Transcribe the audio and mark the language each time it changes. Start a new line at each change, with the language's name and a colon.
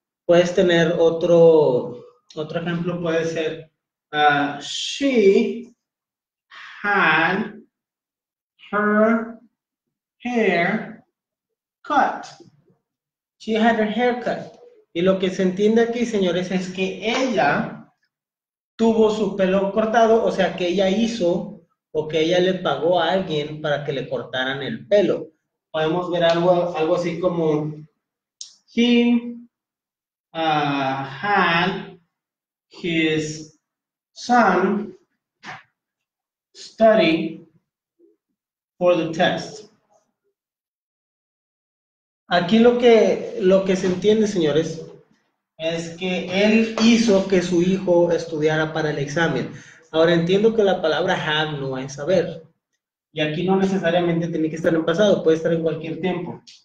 Spanish: Puedes tener otro ejemplo, puede ser,
English: she had her hair cut. She had her hair cut.
Spanish: Y lo que se entiende aquí, señores, es que ella tuvo su pelo cortado, o sea, que ella hizo o que ella le pagó a alguien para que le cortaran el pelo. Podemos ver algo así como,
English: had his son study for the test.
Spanish: Aquí lo que se entiende, señores, es que él hizo que su hijo estudiara para el examen. Ahora entiendo que la palabra have no es haber. Y aquí no necesariamente tiene que estar en pasado, puede estar en cualquier tiempo.